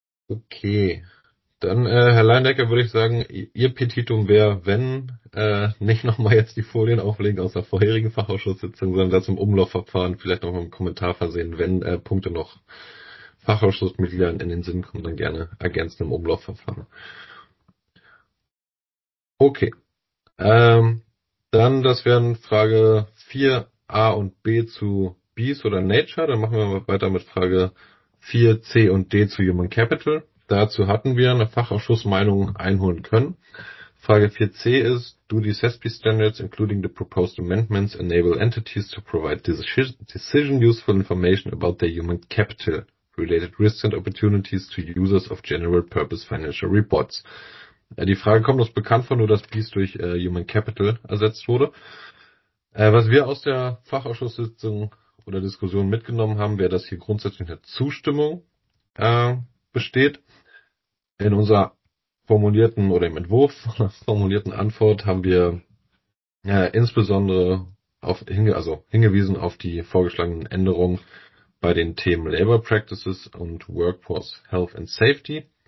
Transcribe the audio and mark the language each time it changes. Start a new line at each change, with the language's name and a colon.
German: Okay, dann Herr Leindecker, würde ich sagen, Ihr Petitum wäre, wenn nicht nochmal jetzt die Folien auflegen aus der vorherigen Fachausschusssitzung, sondern das im Umlaufverfahren vielleicht nochmal einen Kommentar versehen, wenn Punkte noch Fachausschussmitgliedern in den Sinn kommen, dann gerne ergänzen im Umlaufverfahren. Okay, dann das wären Frage 4a und b zu BIS oder Nature, dann machen wir mal weiter mit Frage 4, C und D zu Human Capital. Dazu hatten wir eine Fachausschussmeinung einholen können. Frage 4c ist,
English: do the SASB standards, including the proposed amendments, enable entities to provide decision useful information about their human capital related risks and opportunities to users of general purpose financial reports?
German: Die Frage kommt uns bekannt vor, nur dass BIS durch Human Capital ersetzt wurde. Was wir aus der Fachausschusssitzung oder Diskussion mitgenommen haben, wäre, dass hier grundsätzlich eine Zustimmung besteht. In unserer formulierten oder im Entwurf formulierten Antwort haben wir insbesondere hingewiesen auf die vorgeschlagenen Änderungen bei den Themen Labor Practices und Workforce Health and Safety.